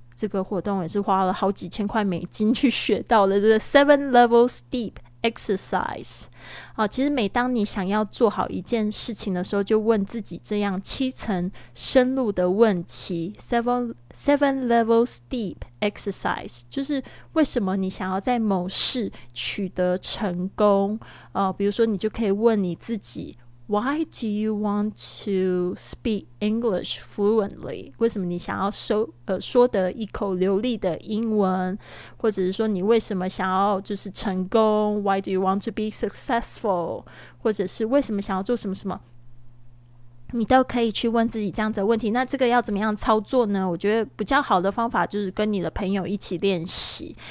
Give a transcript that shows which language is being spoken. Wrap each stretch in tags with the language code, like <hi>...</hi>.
<zh>这个活动也是花了好几千块美金去学到的，这个 Seven Levels Deep Exercise。其实每当你想要做好一件事情的时候，就问自己这样七层深入的问题， Seven Levels Deep Exercise， 就是为什么你想要在某事取得成功。比如说你就可以问你自己，</zh> <en>Why do you want to speak English fluently？</en> <zh>为什么你想要说得一口流利的英文，或者是说你为什么想要就是成功，</zh> <en>Why do you want to be successful？</en> <zh>或者是为什么想要做什么什么，你都可以去问自己这样子的问题。那这个要怎么样操作呢？我觉得比较好的方法就是跟你的朋友一起练习。</zh>